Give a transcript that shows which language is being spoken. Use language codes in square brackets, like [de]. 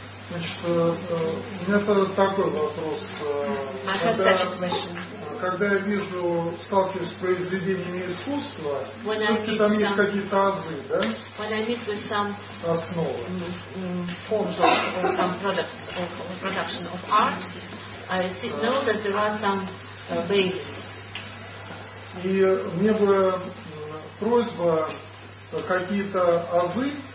[ru] Значит, у меня такой вопрос. Когда я вижу, сталкиваюсь с произведениями искусства, там есть какие-то азы, да? Основы. [en] Forms or some products of production of art, I know that there are some bases. [ru] И мне бы просьба какие-то азы.